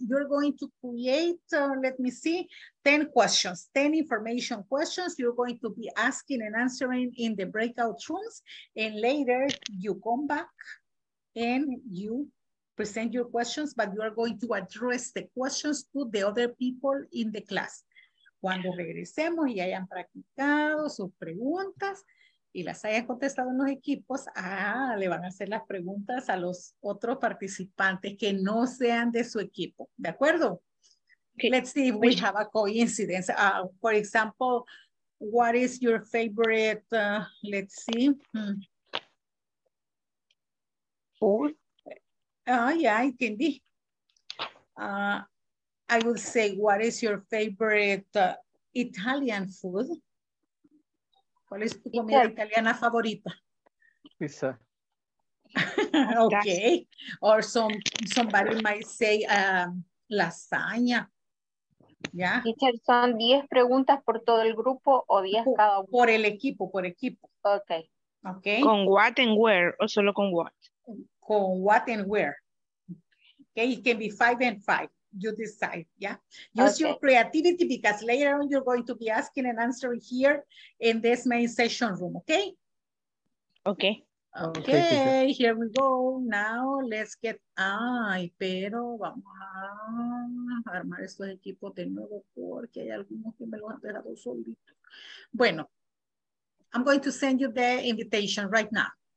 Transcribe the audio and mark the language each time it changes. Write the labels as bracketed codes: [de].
[en] You're going to create, let me see, 10 questions, 10 information questions you're going to be asking and answering in the breakout rooms. And later you come back and you present your questions, but you are going to address the questions to the other people in the class. [es] Cuando regresemos y hayan practicado sus preguntas, y las hayan contestado en los equipos, le van a hacer las preguntas a los otros participantes que no sean de su equipo, ¿de acuerdo? [en] Okay. Let's see if we have a coincidence. For example, what is your favorite, let's see. Food? Yeah, it can be. I would say, what is your favorite Italian food? [es] ¿Cuál es tu comida italiana favorita? [en] Pizza. Okay. Or somebody might say lasagna. Yeah. [es] Teacher, son 10 preguntas por todo el grupo o 10 cada uno. Por el equipo, por equipo. Okay. Okay. Con [en] what and where [es] o solo con what? [en] Con what and where. Okay, it can be 5 and 5. You decide, yeah. Use okay. your creativity because later on you're going to be asking and answering here in this main session room, okay? Okay. Okay, okay, here we go. Now let's get, [es] ay, pero vamos a armar estos equipos de nuevo porque hay algunos que me lo han dejado solito. Bueno, [en] I'm going to send you the invitation right now.